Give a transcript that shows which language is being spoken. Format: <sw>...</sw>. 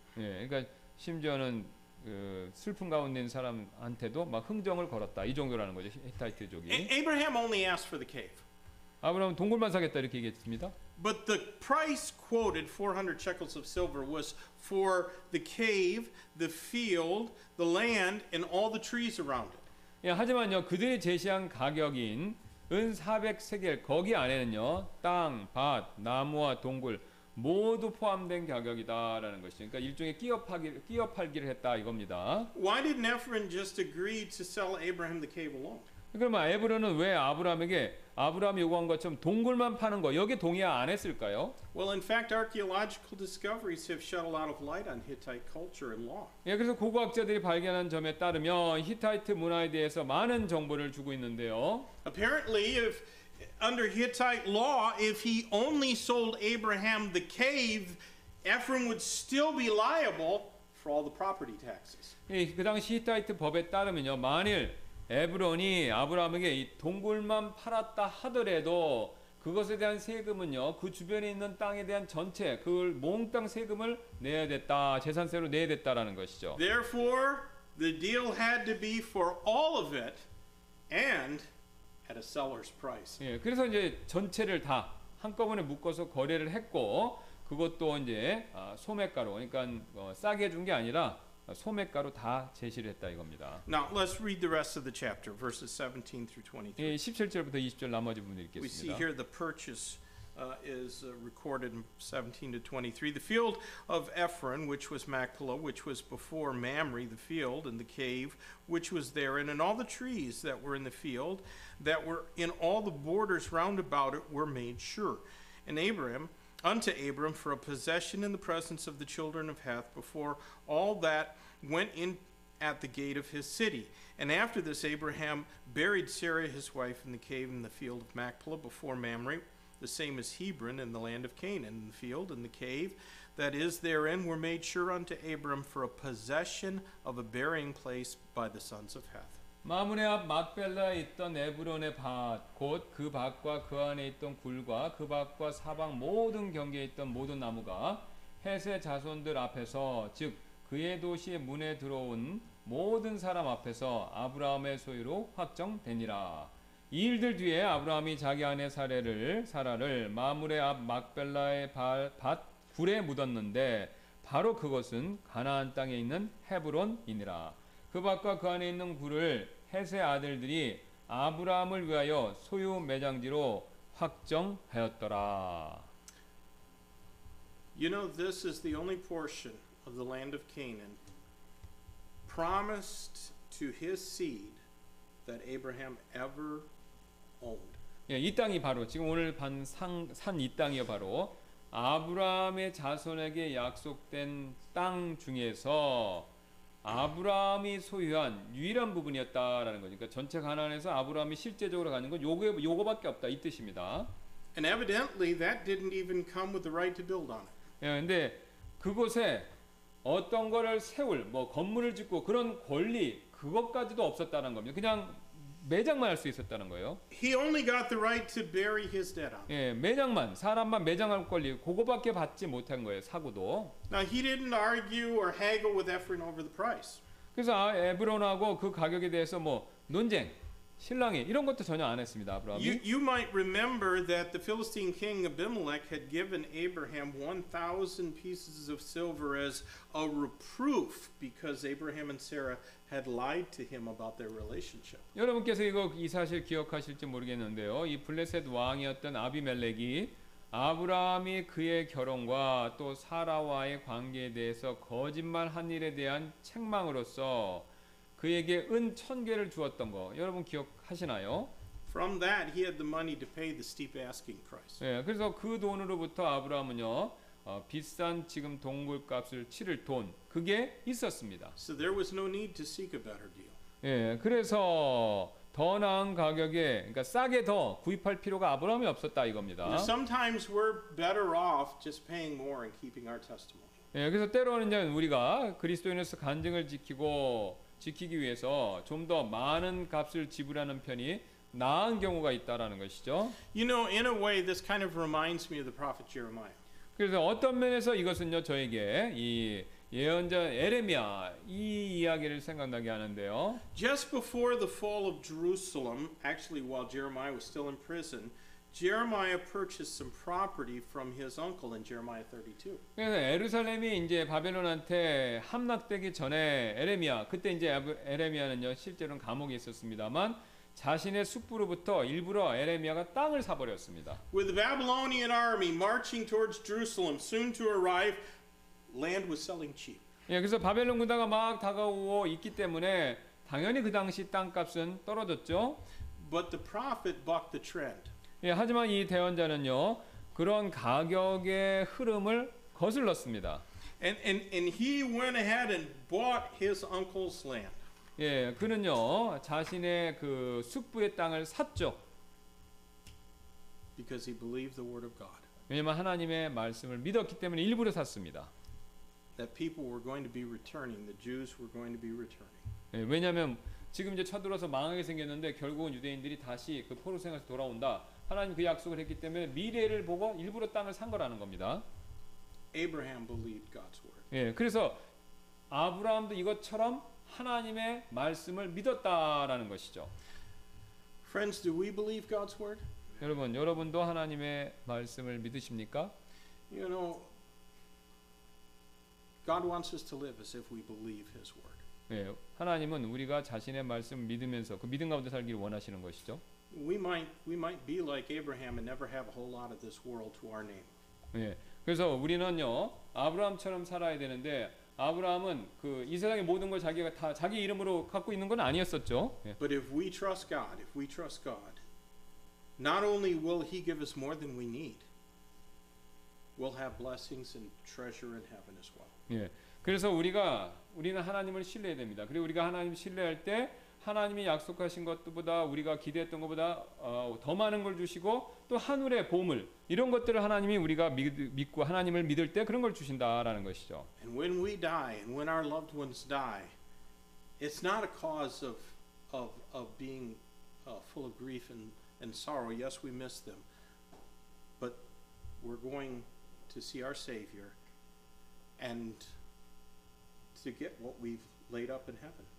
<ko>예, 그러니까 심지어는 그 슬픔 가운데 있는 사람한테도 막 흥정을 걸었다. 이 정도라는 거죠. 히타이트 족이.</ko> <en>Abraham only asked for the cave.</en> <ko>아브라함 동굴만 사겠다 이렇게 얘기했습니다.</ko> <en>But the price quoted 400 shekels of silver was for the cave, the field, the land and all the trees around it.</en> <ko>예, 하지만요. 그들이 제시한 가격인 은 400세겔 거기 안에는요 땅, 밭, 나무와 동굴 모두 포함된 가격이다라는 것이죠. 그러니까 일종의 끼어팔기를 했다 이겁니다.</ko> <en>Why did Nephron just agree to sell Abraham the cave alone?</en> <ko>그러면 에브론은 왜 아브라함에게 아브라함 요구한 것처럼 동굴만 파는 거 여기 동의 안 했을까요?</ko> <en>Well, in fact, archaeological discoveries have shed a lot of light on Hittite culture and law.</en> <ko>예, 그래서 고고학자들이 발견한 점에 따르면 히타이트 문화에 대해서 많은 정보를 주고 있는데요.</ko> <en>Apparently, if under Hittite law, if he only sold Abraham the cave, Ephraim would still be liable for all the property taxes.</en> <ko>예, 그 당시 히타이트 법에 따르면요, 만일 에브론이 아브라함에게 이 동굴만 팔았다 하더라도 그것에 대한 세금은요 그 주변에 있는 땅에 대한 전체 그걸 몽땅 세금을 내야 됐다 재산세로 내야 됐다라는 것이죠.</ko> <en>Therefore, the deal had to be for all of it and at a seller's price.</en> <ko>예, 그래서 이제 전체를 다 한꺼번에 묶어서 거래를 했고 그것도 이제 소매가로 그러니까 싸게 준 게 아니라. 소매가로 다 제시를 했다 이겁니다.</ko> <en>Now let's read the rest of the chapter, verses 17 through 23.</en> <ko>예, 17절부터 20절 나머지 부분 읽겠습니다.</ko> <en>We see here the purchase is recorded in 17 to 23. The field of Ephron, which was Machpelah, which was before Mamre, the field and the cave, which was therein, and all the trees that were in the field, that were in all the borders round about it, were made sure. And Abraham unto Abram for a possession in the presence of the children of Heth before all that went in at the gate of his city. And after this, Abraham buried Sarah his wife in the cave in the field of Machpelah before Mamre, the same as Hebron in the land of Canaan. In the field and the cave that is therein were made sure unto Abram for a possession of a burying place by the sons of Heth.</en> <ko>마므레 앞 막벨라에 있던 에브론의 밭, 곧 그 밭과 그 안에 있던 굴과 그 밭과 사방 모든 경계에 있던 모든 나무가 헷의 자손들 앞에서, 즉 그의 도시의 문에 들어온 모든 사람 앞에서 아브라함의 소유로 확정되니라. 이 일들 뒤에 아브라함이 자기 아내 사라를 마므레 앞 막벨라의 밭 굴에 묻었는데 바로 그것은 가나안 땅에 있는 헤브론이니라. 그 밭과 그 안에 있는 굴을 헷의 아들들이 아브라함을 위하여 소유 매장지로 확정하였더라.</ko> <en>You know, this is the only portion of the land of Canaan promised to his seed that Abraham ever owned.</en> <ko>예, 이 땅이 바로 지금 오늘 반 산 이 땅이요 바로 아브라함의 자손에게 약속된 땅 중에서 아브라함이 소유한 유일한 부분이었다라는 거니까 전체 가나안에서 아브라함이 실제적으로 갖는 건 요거밖에 없다 이 뜻입니다.</ko> <en>And evidently that didn't even come with the right to build on it.</en> <ko>예, 근데 그곳에 어떤 거를 세울 뭐 건물을 짓고 그런 권리 그것까지도 없었다는 겁니다. 그냥 매장만 할 수 있었다는 거예요.</ko> <en>He only got the right to bury his dead on.</en> <ko>예, 매장만 사람만 매장할 권리 그거밖에 받지 못한 거예요. 사고도.</ko> <en>Now he didn't argue or haggle with Ephron over the price.</en> <ko>그래서 에브론하고 그 가격에 대해서 뭐 논쟁, 실랑이 이런 것도 전혀 안 했습니다. 아브라함이.</ko> <en>You might remember that the Philistine king Abimelech had given Abraham 1,000 pieces of silver as a reproof because Abraham and Sarah had lied to him about their relationship.</en> <ko>여러분께서 이거 이 사실 기억하실지 모르겠는데요. 이 블레셋 왕이었던 아비멜렉이 아브라함이 그의 결혼과 또 사라와의 관계에 대해서 거짓말한 일에 대한 책망으로서 그에게 은 천 개를 주었던 거 여러분 기억하시나요?</ko> <en>From that he had the money to pay the steep asking price.</en> <ko>예, 그래서 그 돈으로부터 아브라함은요. 비싼 지금 동굴 값을 치를 돈 그게 있었습니다.</ko> <en>So there was no need to seek a better deal.</en> <ko>예, 그래서 더 나은 가격에 그러니까 싸게 더 구입할 필요가 아브라함이 없었다 이겁니다.</ko> <en>Sometimes we're better off just paying more and keeping our testimony.</en> <ko>예, 그래서 때로는 우리가 그리스도인으로서 간증을 지키기 위해서 좀 더 많은 값을 지불하는 편이 나은 경우가 있다라는 것이죠.</ko> <en>You know, in a way, this kind of reminds me of the prophet Jeremiah.</en> <ko>그래서 어떤 면에서 이것은요 저에게 이 예언자 예레미야 이 이야기를 생각나게 하는데요.</ko> <en>Just before the fall of Jerusalem, actually while Jeremiah was still in prison, Jeremiah purchased some property from his uncle in Jeremiah 32.</en> <ko>그래서 예루살렘이 이제 바벨론한테 함락되기 전에 예레미야 그때 이제 예레미야는요 실제로는 감옥에 있었습니다만 자신의 숲으로부터 일부러 에레미야가 땅을 사버렸습니다.</ko> <en>With the Babylonian army marching towards Jerusalem, soon to arrive, land was selling cheap.</en> <ko>예, 그래서 바벨론 군대가 막 다가오고 있기 때문에 당연히 그 당시 땅값은 떨어졌죠.</ko> <en>But the prophet bucked the trend.</en> <ko>예, 하지만 이 대언자는요 그런 가격의 흐름을 거슬렀습니다.</ko> <en>And he went ahead and bought his uncle's land.</en> <ko>예, 그는요 자신의 그 숙부의 땅을 샀죠.</ko> <en>Because he believed the word of God.</en> <ko>왜냐면 하나님의 말씀을 믿었기 때문에 일부러 샀습니다.</ko> <en>That people were going to be returning. The Jews were going to be returning.</en> <ko>예, 왜냐면 지금 이제 쳐들어서 망하게 생겼는데 결국은 유대인들이 다시 그 포로 생활에서 돌아온다. 하나님 그 약속을 했기 때문에 미래를 보고 일부러 땅을 산 거라는 겁니다.</ko> <en>Abraham believed God's word.</en> <ko>예, 그래서 아브라함도 이것처럼 하나님의 말씀을 믿었다라는 것이죠.</ko> <en>Friends, do we believe God's word?</en> <ko>여러분, 여러분도 하나님의 말씀을 믿으십니까?</ko> <en>You know, God wants us to live as if we believe His word.</en> <ko>예, 하나님은 우리가 자신의 말씀을 믿으면서 그 믿음 가운데 살기를 원하시는 것이죠.</ko> <en>We might be like Abraham and never have a whole lot of this world to our name.</en> <ko>예, 그래서 우리는요 아브라함처럼 살아야 되는데. 아브라함은 그 이 세상의 모든 걸 자기가 다 자기 이름으로 갖고 있는 건 아니었었죠.</ko> <en>But if we trust God, if we trust God, not only will He give us more than we need, we'll have blessings and treasure in heaven as well.</en> <ko>예, 그래서 우리는 하나님을 신뢰해야 됩니다. 그리고 우리가 하나님 신뢰할 때 하나님이 약속하신 것보다 우리가 기대했던 것보다 더 많은 걸 주시고 또 하늘의 보물 이런 것들을 하나님이 우리가 믿고 하나님을 믿을 때 그런 걸 주신다라는 것이죠.</ko> <en>And when we die and when our loved ones die, it's not a cause of being full of grief and sorrow. Yes, we miss them, but we're going to see our Savior and to get what we've laid up in heaven.</en>